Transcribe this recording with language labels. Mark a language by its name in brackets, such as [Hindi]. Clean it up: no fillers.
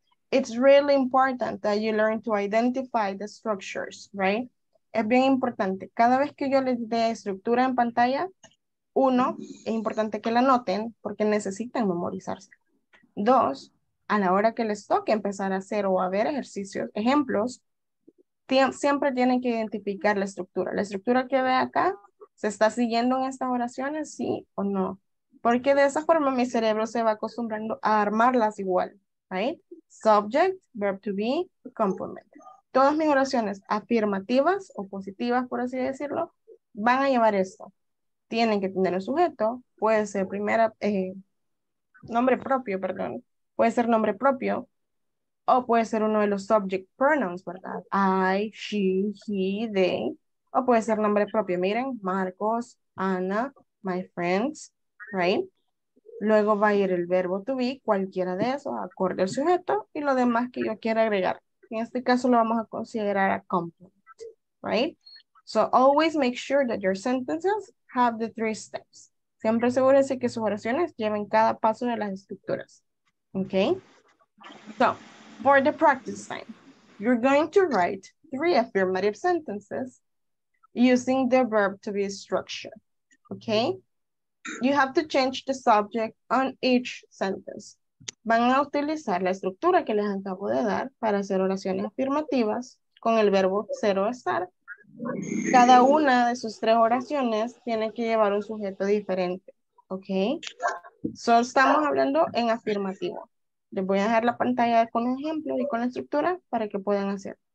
[English] It's really important that you learn to identify the structures, right? [Spanish] Es bien importante. Cada vez que yo les dé estructura en pantalla, uno, es importante que la noten porque necesitan memorizarse. Dos, a la hora que les toque empezar a hacer o a ver ejercicios, ejemplos, siempre tienen que identificar la estructura. La estructura que ve acá, ¿se está siguiendo en estas oraciones? Sí o no. Porque de esa forma mi cerebro se va acostumbrando a armarlas igual, right? Subject, verb to be, complement. Todas mis oraciones afirmativas o positivas, por así decirlo, van a llevar esto. Tienen que tener el sujeto, puede ser primera, nombre propio, perdón, puede ser nombre propio, o puede ser uno de los subject pronouns, ¿verdad? I, she, he, they, o puede ser nombre propio. [English] Miren, Marcos, Ana, my friends, right? [Spanish] Luego va a ir el verbo to be, cualquiera de esos, acorde al sujeto, y lo demás que yo quiera agregar. En este caso lo vamos a considerar a complement, right? [English] So always make sure that your sentences have the three steps. [Spanish] Siempre asegúrese que sus oraciones lleven cada paso de las estructuras. [English] Okay? So, for the practice time, you're going to write three affirmative sentences using the verb to be structure. Okay? You have to change the subject on each sentence. [Spanish] Van a utilizar la estructura que les acabo de dar para hacer oraciones afirmativas con el verbo ser o estar. Cada una de sus tres oraciones tiene que llevar un sujeto diferente, ¿ok? Solo estamos hablando en afirmativo. Les voy a dejar la pantalla con ejemplos y con la estructura para que puedan hacer.